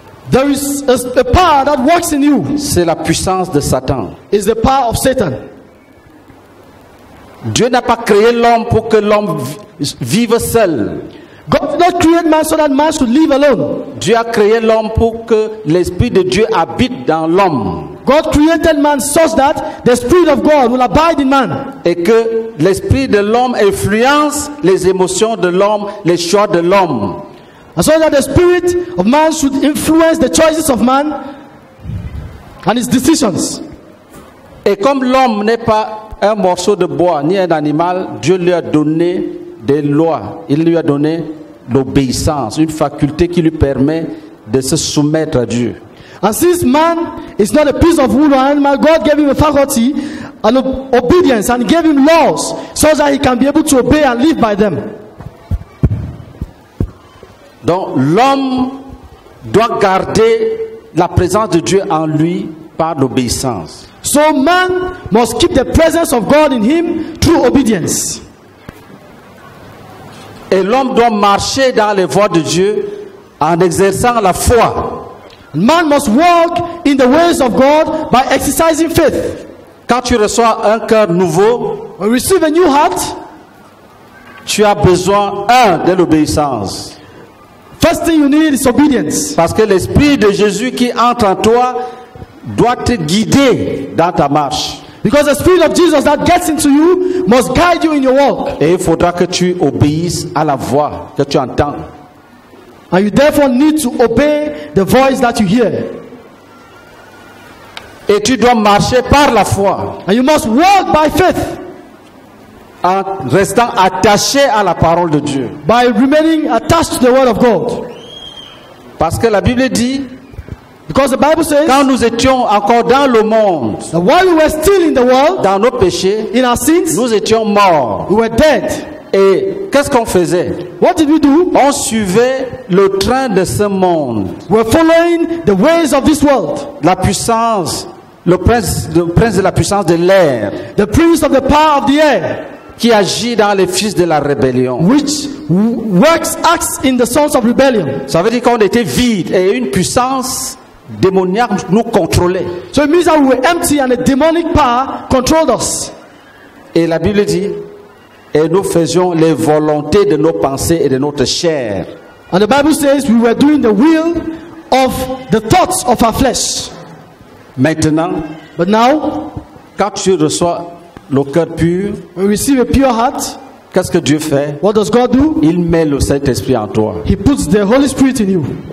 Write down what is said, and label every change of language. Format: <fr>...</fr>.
<en>There is a power that works in you.</en> <fr>C'est la puissance de Satan.</fr> <en>It's the power of Satan.</en> <fr>Dieu n'a pas créé l'homme pour que l'homme vive seul.</fr> <en>God did not create man so that man should live alone.</en> <fr>Dieu a créé l'homme pour que l'esprit de Dieu habite dans l'homme.</fr> <en>God created man such that the spirit of God will abide in man.</en> <fr>Et que l'esprit de l'homme influence les émotions de l'homme, les choix de l'homme.</fr> <en>And so that the spirit of man should influence the choices of man and his decisions.</en> <fr>Et comme l'homme n'est pas un morceau de bois ni un animal, Dieu lui a donné des lois. Il lui a donné l'obéissance, une faculté qui lui permet de se soumettre à Dieu.</fr> <en>As this man is not a piece of wood or animal, God gave him a faculty and obedience and gave him laws so that he can be able to obey and live by them.</en> <fr>Donc l'homme doit garder la présence de Dieu en lui par l'obéissance.</fr> <en>So man must keep the presence of God in him through obedience.</en> <fr>Et l'homme doit marcher dans les voies de Dieu en exerçant la foi.</fr> <en>Man must walk in the ways of God by exercising faith.</en> <fr>Quand tu reçois un cœur nouveau,</fr> <en>when you receive a new heart,</en> <fr>tu as besoin un de l'obéissance.</fr> <en>First thing you need is obedience.</en> <fr>Parce que l'esprit de Jésus qui entre en toi doit te guider dans ta marche.</fr> <en>Because the spirit of Jesus that gets into you must guide you in your walk.</en> <fr>Et il faudra que tu obéisses à la voix que tu entends.</fr> <en>And you therefore need to obey the voice that you hear.</en> <fr>Et tu dois marcher par la foi.</fr> <en>And you must walk by faith.</en> <fr>En restant attaché à la parole de Dieu.</fr> <en>By remaining attached to the word of God.</en> <fr>Parce que la Bible dit,</fr> <en>because the Bible says,</en> <fr>quand nous étions encore dans le monde,</fr> <en>while we were still in the world,</en> <fr>dans nos péchés,</fr> <en>in our sins,</en> <fr>nous étions morts.</fr> <en>We were dead.</en> <fr>Et qu'est-ce qu'on faisait?</fr> <en>What did we do?</en> <fr>On suivait le train de ce monde.</fr> <en>We're following the ways of this world.</en> <fr>La puissance, le prince de la puissance de l'air.</fr> <en>The prince of the power of the air.</en> <fr>Qui agit dans les fils de la rébellion.</fr> <en>Which works acts in the sons of rebellion.</en> <fr>Ça veut dire qu'on était vide et une puissance démoniaque nous contrôlait.</fr> <en>So it means that we were empty and a demonic power controlled us.</en> <fr>Et la Bible dit, et nous faisions les volontés de nos pensées et de notre chair.</fr> <en>And the Bible says we were doing the will of the thoughts of our flesh.</en> <fr>Maintenant,</fr> <en>but now,</en> <fr>quand tu reçois le cœur pur,</fr> <en>when we receive a pure heart,</en> <fr>qu'est-ce que Dieu fait?</fr> <en>What does God do?</en> <fr>Il met le Saint-Esprit en toi.</fr> <en>He puts the Holy Spirit in you.</en>